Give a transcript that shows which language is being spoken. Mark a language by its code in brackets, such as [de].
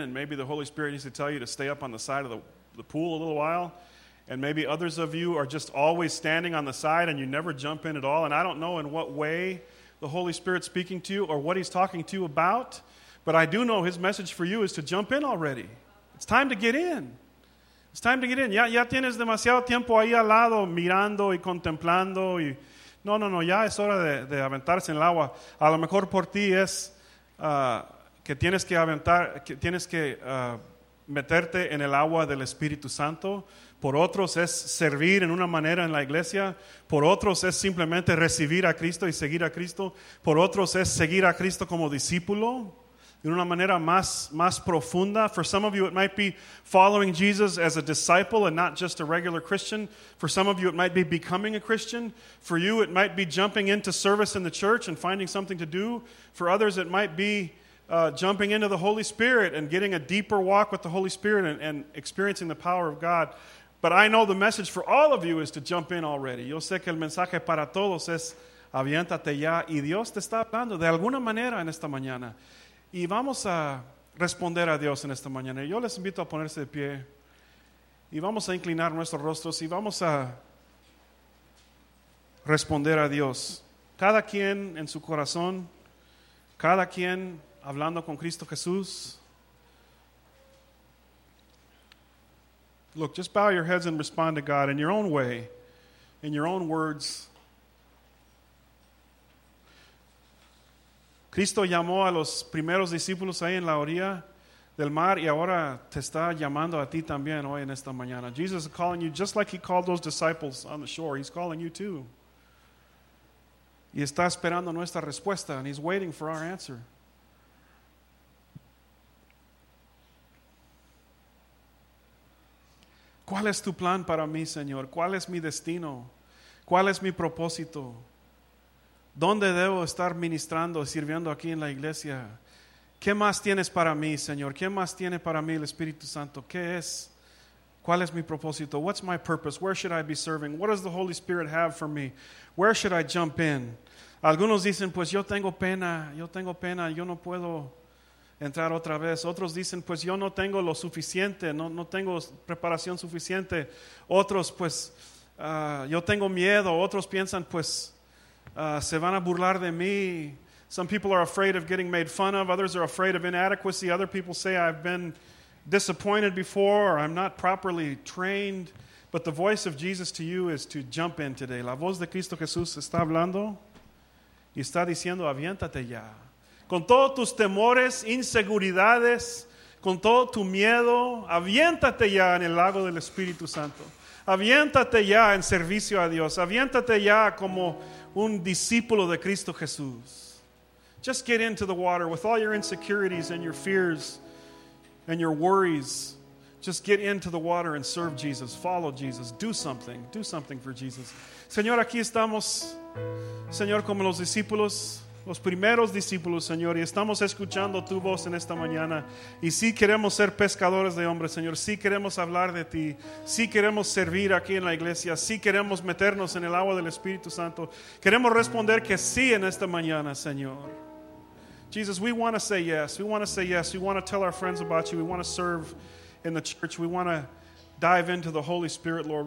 [en] And maybe the Holy Spirit needs to tell you to stay up on the side of the pool a little while. And maybe others of you are just always standing on the side and you never jump in at all. And I don't know in what way the Holy Spirit's speaking to you or what he's talking to you about. But I do know his message for you is to jump in already. It's time to get in. It's time to get in. [es] Ya tienes demasiado tiempo ahí al lado mirando y contemplando. Y No. Ya es hora de aventarse en el agua. A lo mejor por ti es que tienes que meterte en el agua del Espíritu Santo. Por otros es servir en una manera en la iglesia. Por otros es simplemente recibir a Cristo y seguir a Cristo. Por otros es seguir a Cristo como discípulo en una manera más profunda. [en] For some of you, it might be following Jesus as a disciple and not just a regular Christian. For some of you, it might be becoming a Christian. For you, it might be jumping into service in the church and finding something to do. For others, it might be jumping into the Holy Spirit and getting a deeper walk with the Holy Spirit and experiencing the power of God. But I know the message for all of you is to jump in already. [es] Yo sé que el mensaje para todos es aviéntate ya. Y Dios te está hablando de alguna manera en esta mañana. Y vamos a responder a Dios en esta mañana. Yo les invito a ponerse de pie. Y vamos a inclinar nuestros rostros y vamos a responder a Dios. Cada quien en su corazón. Cada quien hablando con Cristo Jesús. [en] Look, just bow your heads and respond to God in your own way, in your own words. [es] Cristo llamó a los primeros discípulos ahí en la orilla del mar y ahora te está llamando a ti también hoy en esta mañana. [en] Jesus is calling you just like he called those disciples on the shore. He's calling you too. [es] Y está esperando nuestra respuesta [en] and he's waiting for our answer. [es] ¿Cuál es tu plan para mí, Señor? ¿Cuál es mi destino? ¿Cuál es mi propósito? ¿Dónde debo estar ministrando, sirviendo aquí en la iglesia? ¿Qué más tienes para mí, Señor? ¿Qué más tiene para mí el Espíritu Santo? ¿Qué es? ¿Cuál es mi propósito? [en] What's my purpose? Where should I be serving? What does the Holy Spirit have for me? Where should I jump in? [es] Algunos dicen, pues yo tengo pena, yo no puedo entrar otra vez. Otros dicen, pues yo no tengo lo suficiente, no tengo preparación suficiente. Otros, pues yo tengo miedo. Otros piensan, pues se van a burlar de mí. [en] Some people are afraid of getting made fun of. Others are afraid of inadequacy. Other people say, I've been disappointed before. I'm not properly trained. But the voice of Jesus to you is to jump in today. [es] La voz de Cristo Jesús está hablando y está diciendo, aviéntate ya. Con todos tus temores, inseguridades, con todo tu miedo, aviéntate ya en el lago del Espíritu Santo. Aviéntate ya en servicio a Dios. Aviéntate ya como un discípulo de Cristo Jesús. [en] Just get into the water with all your insecurities and your fears and your worries. Just get into the water and serve Jesus. Follow Jesus. Do something. Do something for Jesus. [es] Señor, aquí estamos. Señor, como los discípulos. los primeros discípulos, Señor, y estamos escuchando tu voz en esta mañana. Y sí queremos ser pescadores de hombres, Señor. Sí queremos hablar de ti. Sí queremos servir aquí en la iglesia. Sí queremos meternos en el agua del Espíritu Santo. Queremos responder que sí en esta mañana, Señor. [en] Jesus, we want to say yes. We want to say yes. We want to tell our friends about you. We want to serve in the church. We want to dive into the Holy Spirit, Lord.